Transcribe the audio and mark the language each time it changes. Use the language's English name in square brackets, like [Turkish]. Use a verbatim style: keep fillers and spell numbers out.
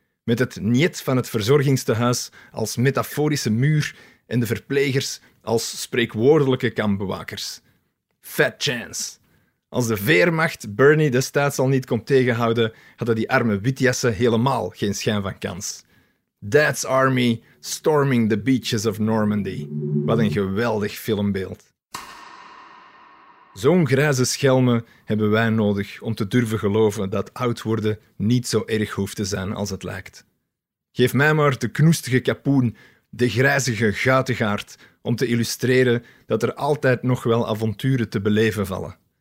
[Dutch] Met het niet van het verzorgingstehuis als metaforische muur en de verplegers als spreekwoordelijke kampbewakers. [English] Fat chance. [Dutch] Als de Weermacht Bernie destijds al niet kon tegenhouden, hadden die arme witjassen helemaal geen schijn van kans. [English] Dad's Army storming the beaches of Normandy. [Dutch] Wat een geweldig filmbeeld. Zo'n grijze schelmen hebben wij nodig om te durven geloven dat oud worden niet zo erg hoeft te zijn als het lijkt. Geef mij maar de knoestige kapoen, de grijzige guitigaard, om te illustreren dat er altijd nog wel avonturen te beleven vallen.